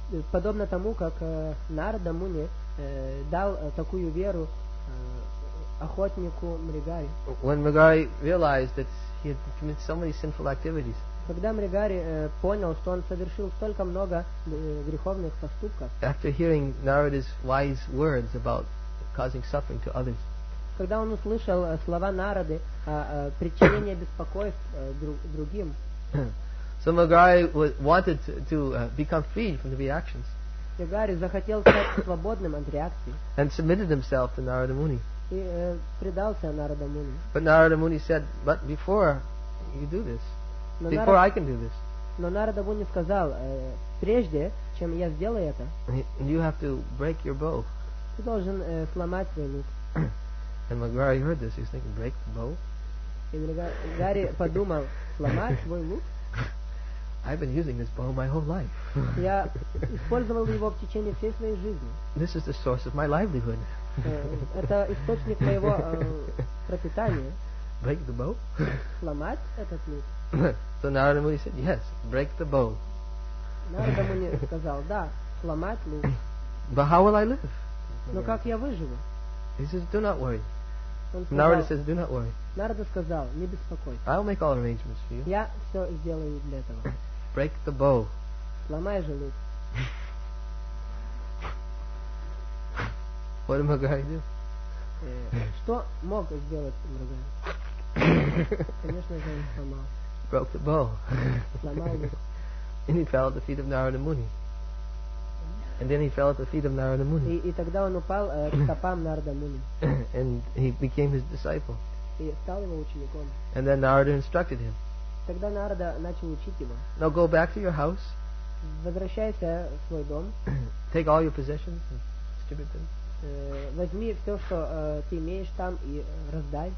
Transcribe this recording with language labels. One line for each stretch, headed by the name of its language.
Russian: Подобно тому, как Нарада Муни дал такую веру охотнику Мригари.
English: When Magari realized that he had committed so many sinful activities.
Russian: Когда Мригари понял, что он совершил столько много греховных поступков,
English: after hearing Narada's wise words about causing suffering to others,
Russian: когда он услышал слова Нарады о причинении беспокойств другим,
English: so Мригари wanted to become freed from the reactions.
Russian: Мригари захотел стать свободным от реакций.
English: And submitted himself to Narada Muni.
Russian: И предался Нарада Муни.
English: But Narada Muni said, "But before you do this, before I can do this."
Russian: Но Нарада Муни сказал, прежде чем я сделаю это,
English: you have to break your bow.
Russian: Ты должен сломать свой лук.
English: And Мригари heard this. He's thinking, "Break the bow?"
Russian: И Мригари подумал, сломать свой лук?
English: I've been using this bow my whole life.
Russian: Я использовал его в течение всей своей жизни.
English: This is the source of my livelihood.
Russian: Это источник моего пропитания.
English: Break the bow?
Russian: Сломать этот лук?
English: So Narada Muni said, "Yes, break the bow."
Russian: Narada Muni сказал, да, сломать лук.
English: But how will I live?
Russian: Но как я выживу?
English: He says, "Do not worry."
Russian: Сказал,
English: Narada says, "Do not worry."
Russian: Narada сказал, не беспокойся.
English: I'll make all arrangements for you.
Russian: Я все сделаю для этого.
English: Break the bow.
Russian: Сломай же лук.
English: What did Мригари do?
Russian: Что мог сделать Мригари? Конечно же, он сломал.
English: Broke the bow.
Russian: Сломал лук.
English: And he fell at the feet of Narada Muni. And then he fell at the feet of Narada Muni.
Russian: И тогда он упал к стопам Нарада Муни.
English: And he became his disciple.
Russian: И стал его учеником.
English: And then Narada instructed him.
Russian: Тогда Нарада начал учить его.
English: Now go back to your house.
Russian: Возвращайся в свой дом.
English: Take all your possessions and distribute them.
Russian: Возьми все, что ты имеешь там, и раздай.